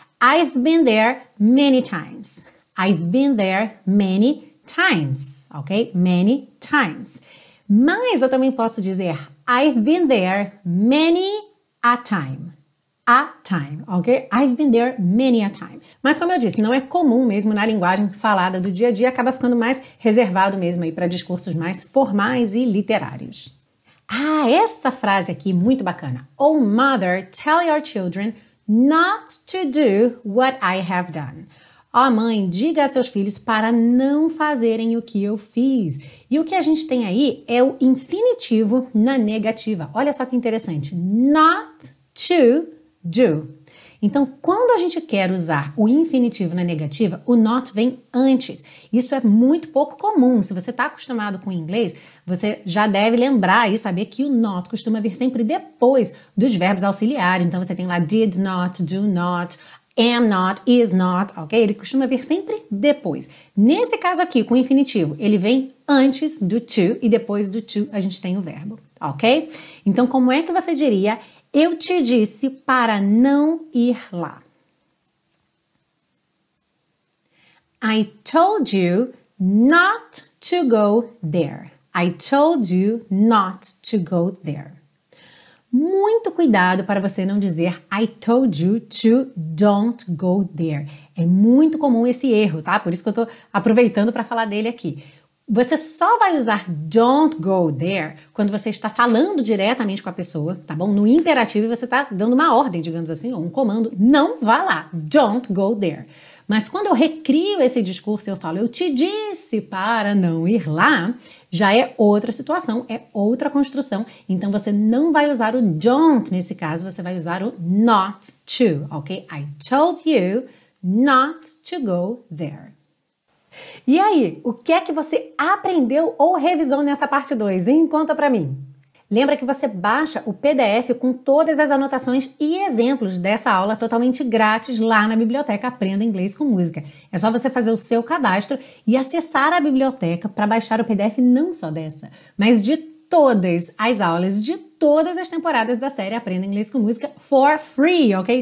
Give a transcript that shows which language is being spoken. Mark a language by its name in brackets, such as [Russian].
[English] I've been there many times. I've been there many times, ok? Many times. [Portuguese] Mas eu também posso dizer [English] I've been there many a time. A time, ok? I've been there many a time. [Portuguese] Mas como eu disse, não é comum mesmo na linguagem falada do dia a dia, acaba ficando mais reservado mesmo aí para discursos mais formais e literários. Ah, essa frase aqui, muito bacana. [English] Oh, mother, tell your children not to do what I have done. [Portuguese] Ó, mãe, diga a seus filhos para não fazerem o que eu fiz. E o que a gente tem aí é o infinitivo na negativa. Olha só que interessante. [English] Not to do. [Portuguese] Então, quando a gente quer usar o infinitivo na negativa, o not vem antes. Isso é muito pouco comum. Se você está acostumado com inglês, você já deve lembrar e saber que o not costuma vir sempre depois dos verbos auxiliares. Então, você tem lá did not, do not, am not, is not, ok? Ele costuma vir sempre depois. Nesse caso aqui, com o infinitivo, ele vem antes do to e depois do to a gente tem o verbo, ok? Então, como é que você diria... Eu te disse para não ir lá. [English] I told you not to go there. I told you not to go there. [Portuguese] Muito cuidado para você não dizer [English] I told you to don't go there. [Portuguese] É muito comum esse erro, tá? Por isso que eu estou aproveitando para falar dele aqui. Você só vai usar [English] don't go there [Portuguese] quando você está falando diretamente com a pessoa, tá bom? No imperativo você está dando uma ordem, digamos assim, ou um comando. Não vá lá, [English] don't go there. [Portuguese] Mas quando eu recrio esse discurso e eu falo, eu te disse para não ir lá, já é outra situação, é outra construção. Então você não vai usar o don't nesse caso, você vai usar o not to, ok? [English] I told you not to go there. [Portuguese] E aí, o que é que você aprendeu ou revisou nessa parte 2, hein? Conta pra mim. Lembra que você baixa o PDF com todas as anotações e exemplos dessa aula totalmente grátis lá na biblioteca Aprenda Inglês com Música. É só você fazer o seu cadastro e acessar a biblioteca para baixar o PDF não só dessa, mas de todas as aulas, de todas as temporadas da série Aprenda Inglês com Música [English] for free, [Portuguese] ok?